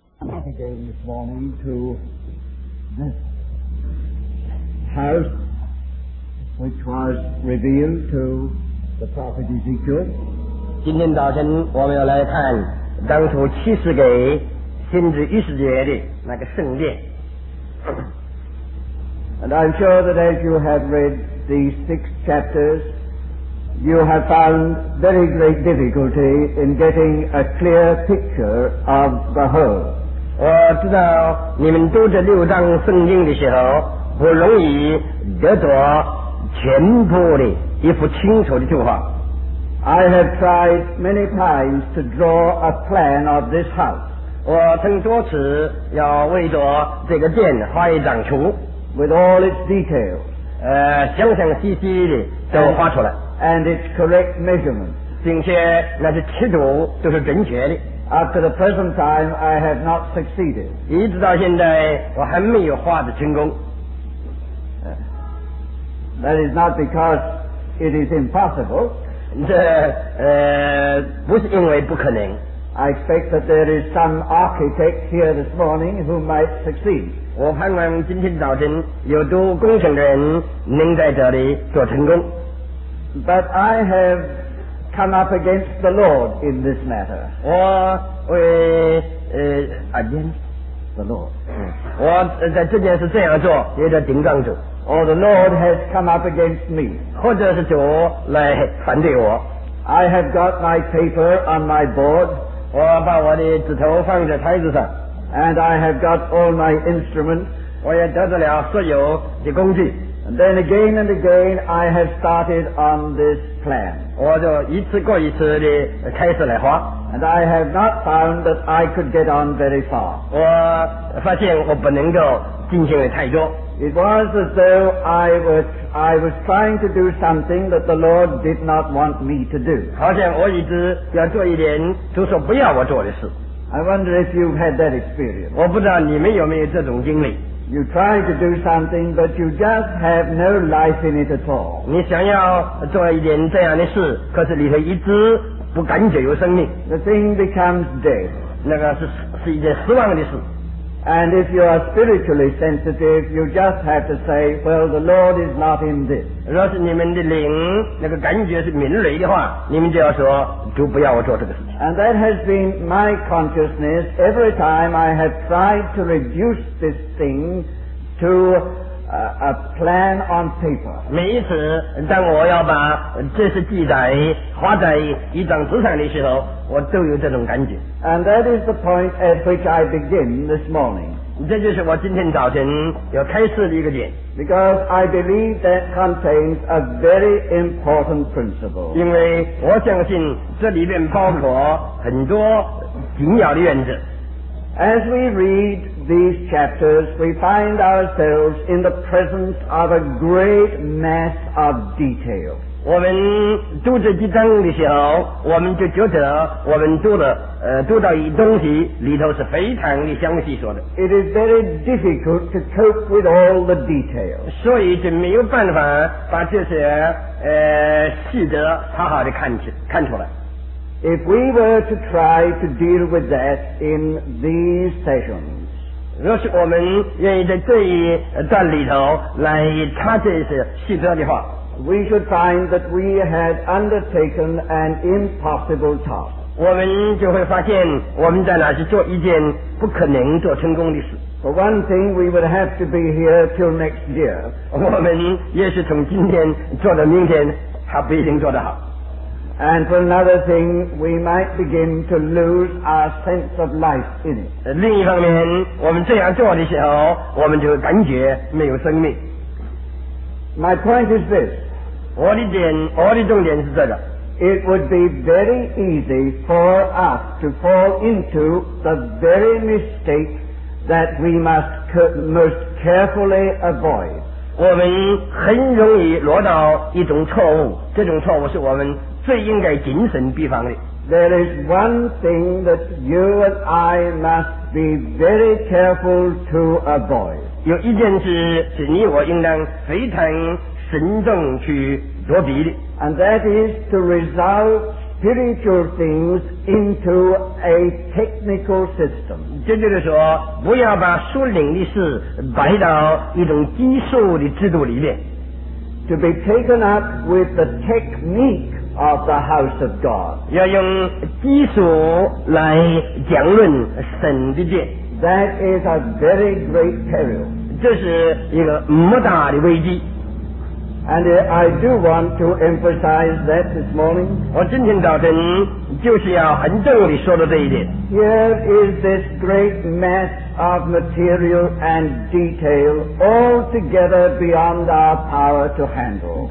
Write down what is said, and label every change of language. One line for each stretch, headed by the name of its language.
English: I gave this morning to this house, which was revealed to the prophet Ezekiel.
Chinese: 今天早晨我们要来看当初启示给先知以斯帖的那个圣殿。
English: And I'm sure that as you have read these six chapters, you have found very great difficulty in getting a clear picture of the whole.
Chinese: 我知道你们读这六章圣经的时候，不容易得到全部的一幅清楚的图画。
English: I have tried many times to draw a plan of this house.
Chinese: 我曾多次要为着这个殿画一张图。
English: With all its details,
Chinese: 详详细细的都画出来。
English: And its correct measurements,
Chinese: 并且那些尺度都是准确的。
English: Up to the present time, I have not succeeded.
Chinese: 一直到现在，我还没有画得成功。
English: That is not because it is impossible.
Chinese: 这不是因为不可能。
English: I expect that there is some architect here this morning who might succeed.
Chinese: 我盼望今天早晨有多工程的人能在这里做成功。
English: But I have come up against the Lord in this matter.
Chinese: 我为
English: against the Lord.
Chinese: 我在这件事这样做，也在顶撞主。
English: Or the Lord has come up against me.
Chinese: 或者是主来反对我。
English: I have got my paper on my board.
Chinese: 我把我的纸头放在台子上
English: and I have got all my instruments
Chinese: 我也得到了所有的工具
English: and then again and again I have started on this plan
Chinese: 我就一次过一次的开始来画
English: and I have not found that I could get on very far
Chinese: 我发现我不能够进行的太多
English: it was as though I was trying to do something that the Lord did not want me to do.
Chinese: 好像我一直要做一点主所不要我做的事。
English: I wonder if you've had that experience.
Chinese: 我不知道你们有没有这种经历。
English: You try to do something, but you just have no life in it at all.
Chinese: 你想要做一点这样的事，可是里头一直不感觉有生命。
English: The thing becomes dead.
Chinese: 那个是一件死亡的事。
English: And if you are spiritually sensitive, you just have to say, well, the Lord is not in this.
Chinese: 若是你们的灵那个感觉是敏锐的话，你们就要说，主不要我做这个事情。
English: And that has been my consciousness every time I have tried to reduce this thing to a plan on paper.
Chinese: 每一次当我要把这些记载画在一张纸上的时候，我都有这种感觉。
English: And that is the point at which I begin this morning.
Chinese: 这就是我今天早晨要开始的一个点。
English: Because I believe that contains a very important principle.
Chinese: 因为我相信这里面包括很多紧要的原则。
English: As we read these chapters, we find ourselves in the presence of a great mass of detail.
Chinese: 我们读这几章的时候，我们就觉得我们读到一东西里头是非常的详细说的。
English: It is very difficult to cope with all the detail.
Chinese: 所以就没有办法把这些细则好好的看出来。
English: If we were to try to deal with that in these sessions,
Chinese: 若是我们愿意在这一段里头来查这些细则的话，
English: we should find that we had undertaken an impossible task.
Chinese: 我们就会发现我们在那去做一件不可能做成功的事。
English: For one thing, we would have to be here till next year.
Chinese: 我们也许从今天做到明天还不一定做得好。
English: And for another thing, we might begin to lose our sense of life in it.
Chinese: 另一方面，我们这样做的时候，我们就感觉没有生命。
English: My point is this.
Chinese: 我的重点是这个。
English: It would be very easy for us to fall into the very mistake that we must most carefully avoid.
Chinese: 我们很容易落到一种错误，这种错误是我们最应该谨慎避防的。
English: There is one thing that you and I must be very careful to avoid.
Chinese: 有一件事是你我应当非常慎重去躲避的。
English: And that is to resolve spiritual things into a technical system.
Chinese: 这就是说，不要把属灵的事摆到一种技术的制度里面。
English: To be taken up with the technique of the house of God.
Chinese: 要用技术来讲论神的殿。
English: That is a very great peril.
Chinese: 这是一个莫大的危机。
English: And I do want to emphasize that this morning.
Chinese: 我今天早晨就是要很重地说到这一点。
English: Here is this great mass of material and detail all together beyond our power to handle.